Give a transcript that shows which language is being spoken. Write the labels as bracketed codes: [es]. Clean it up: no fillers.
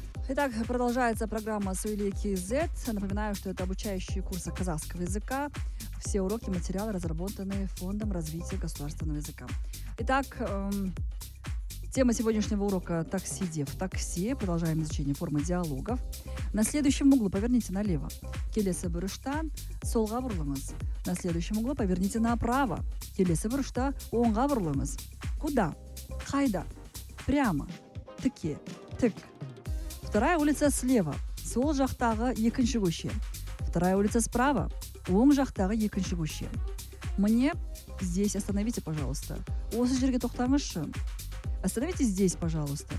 [ru] Итак, продолжается программа «Сөйлер кизет». Напоминаю, что это обучающие курсы казахского языка. Все уроки, материалы разработаны Фондом развития государственного языка. Итак, тема сегодняшнего урока «Такси-де в такси». Продолжаем изучение формы диалогов. На следующем углу поверните налево. [kk] «Келесе бұрышта солға бұрылыңыз». [ru] На следующем углу поверните направо. [kk] «Келесе бұрышта оңға бұрылыңыз». [ru] Куда? [kk] Хайда. [ru] Прямо. [kk] Тыке. Тык. [ru] Вторая улица слева. [kk] Сол жақтағы екінші көше. [ru] Вторая улица справа. [kk] Оң жақтағы екінші көше. [ru] Мне здесь остановите, пожалуйста. [kk] Осы жерге тоқтаңызшы. [ru] Остановитесь здесь, пожалуйста.